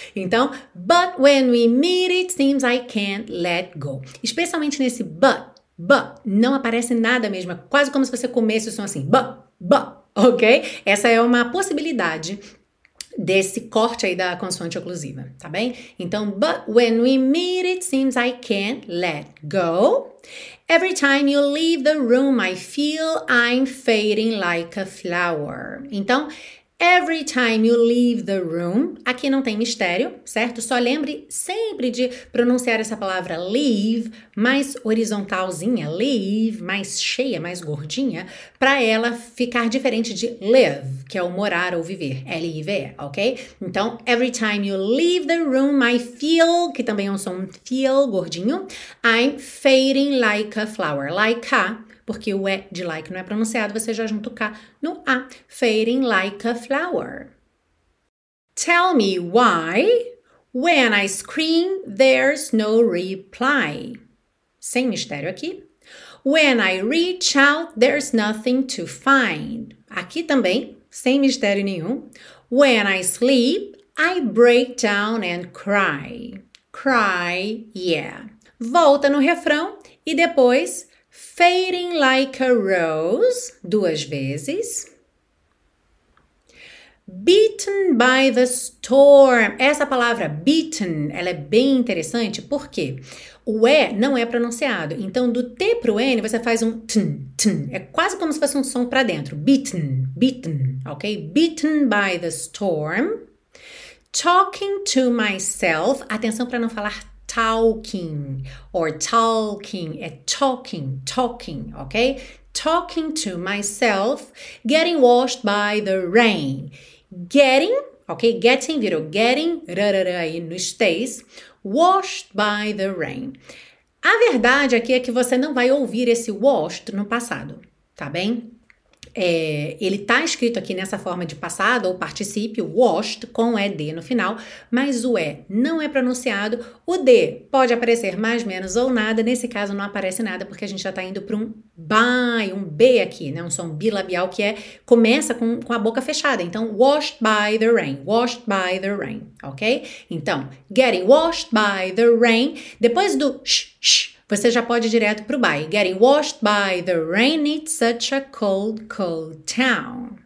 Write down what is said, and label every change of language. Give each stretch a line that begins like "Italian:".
English: Então, but when we meet, it seems I can't let go.
Portuguese: Especialmente nesse but, não aparece nada mesmo. É quase como se você comesse o som assim, but, ok? Essa é uma possibilidade desse corte aí da consoante oclusiva, tá bem?
English: Então, but when we meet, it seems I can't let go. Every time you leave the room, I feel I'm fading like a flower.
Portuguese: Então,
English: every time you leave the room,
Portuguese: aqui não tem mistério, certo? Só lembre sempre de pronunciar essa palavra leave mais horizontalzinha, leave mais cheia, mais gordinha, para ela ficar diferente de live, que é o morar ou viver, L-I-V-E, ok? Então,
English: every time you leave the room, I feel,
Portuguese: que também é um som feel gordinho,
English: I'm fading like a
Portuguese: flower, like a, porque o E de like não é pronunciado, você já junta o K no A.
English: Fading like a flower. Tell me why, when I scream, there's no reply.
Portuguese: Sem mistério aqui.
English: When I reach out, there's nothing to find.
Portuguese: Aqui também, sem mistério nenhum.
English: When I sleep, I break down and cry. Cry, yeah.
Portuguese: Volta no refrão e depois fading like a rose, duas vezes.
English: Beaten by the storm.
Portuguese: Essa palavra, beaten, ela é bem interessante, porque o E não é pronunciado. Então, do T pro N, você faz um tn, tn. É quase como se fosse um som para dentro.
English: Beaten, beaten, ok? Beaten by the storm. Talking to myself.
Portuguese: Atenção para não falar talking, or talking, é talking, talking, ok?
English: Talking to myself, getting washed by the rain. Getting, ok? Getting virou getting, rarara aí no stays, washed by the rain.
Portuguese: A verdade aqui é que você não vai ouvir esse washed no passado, tá bem? É, ele tá escrito aqui nessa forma de passado ou participio, washed, com ED no final, mas o E não é pronunciado. O D pode aparecer mais, menos ou nada. Nesse caso, não aparece nada, porque a gente já tá indo para um by, um B aqui, né? Um som bilabial que é, começa com a boca fechada.
English: Então, washed by the rain, washed by the rain, ok?
Portuguese: Então,
English: getting washed by the rain,
Portuguese: depois do sh, sh, você já pode ir direto pro by.
English: Getting washed by the rain, it's such a cold, cold town.